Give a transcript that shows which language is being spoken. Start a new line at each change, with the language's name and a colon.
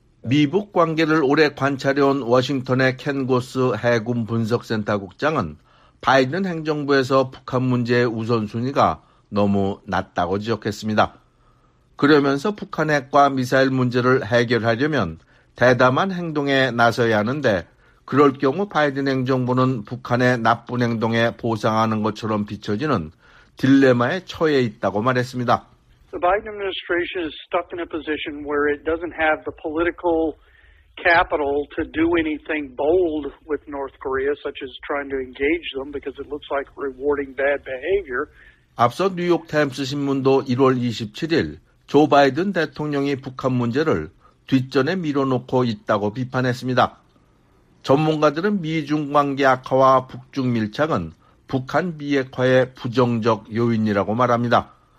Korean: 미북 관계를 오래 관찰해온 워싱턴의 켄 고스 해군 분석센터 국장은 바이든 행정부에서 북한 문제의 우선순위가 너무 낮다고 지적했습니다. 그러면서 북한 핵과 미사일 문제를 해결하려면 대담한 행동에 나서야 하는데 그럴 경우 바이든 행정부는 북한의 나쁜 행동에 보상하는 것처럼 비춰지는 딜레마에 처해 있다고 말했습니다.
English: The Biden administration is stuck in a position where it doesn't have the political capital to do anything bold with North Korea, such as trying to engage them, because it looks like rewarding bad behavior.
Korean: 앞서 뉴욕 타임스 신문도 1월 27일 조 바이든 대통령이 북한 문제를 뒷전에 밀어놓고 있다고 비판했습니다. 전문가들은 미중 관계 악화와 북중 밀착은 북한 비핵화의 부정적 요인이라고 말합니다.